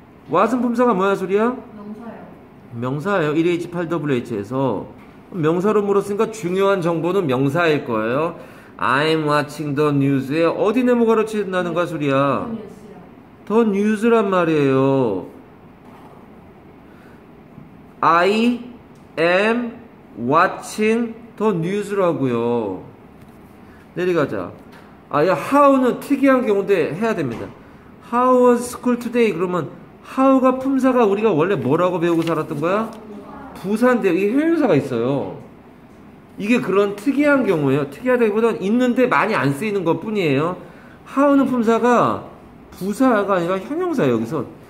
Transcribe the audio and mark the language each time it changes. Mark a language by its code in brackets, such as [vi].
[ko] What은 품사가 뭐야 소리야? 명사예요. 명사예요. 1H8WH에서. 명사로 물었으니까 중요한 정보는 명사일 거예요. [en] I'm watching the news [ko] 에 어디 네모가로 친다는 거야 소리야? The news란 말이에요. [en] I am watching the news라고요. [ko] 내려가자. 아, 야, how는 특이한 경우인데 해야 됩니다. [en] How was school today? [ko] 그러면 how가 품사가 우리가 원래 뭐라고 배우고 살았던 거야? 부산대요. 이게 형용사가 있어요. 이게 그런 특이한 경우예요. 특이하다기보단 있는데 많이 안 쓰이는 것 뿐이에요. how는 품사가 부사가 아니라 형용사예요, 여기서.